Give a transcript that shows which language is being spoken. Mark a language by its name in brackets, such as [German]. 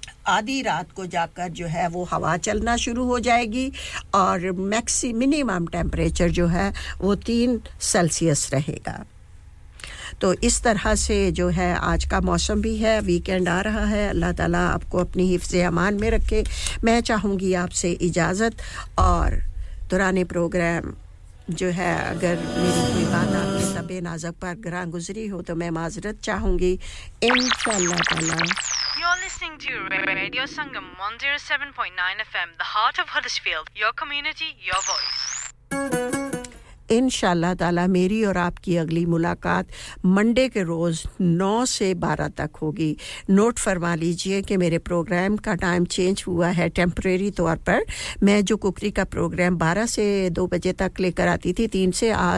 [Urdu] آدھی رات کو جا کر جو ہے وہ ہوا چلنا شروع ہو جائے گی اور مینیمم ٹیمپریچر جو ہے وہ 3 سیلسیس رہے گا تو اس طرح سے جو ہے آج کا موسم بھی ہے ویکینڈ آ رہا ہے اللہ تعالیٰ آپ کو اپنی حفظ امان میں رکھے میں چاہوں گی آپ سے اجازت اور دوران پروگرام جو ہے اگر میری کوئی بات آپ کے طبع نازک پر گراں گزری ہو تو میں معذرت چاہوں گی انشاء اللہ تعالیٰ [English] listening to Radio Sangam 107.9 FM, the heart of Huddersfield. Your community, your voice. [Urdu] انشاءاللہ تعالی میری اور آپ کی اگلی ملاقات منڈے کے روز 9 سے 12 تک ہوگی نوٹ فرما لیجئے کہ میرے پروگرام کا ٹائم چینج ہوا ہے ٹیمپریری طور پر میں جو ککری کا پروگرام 12 سے 2 بجے تک لے کر آتی تھی 3 سے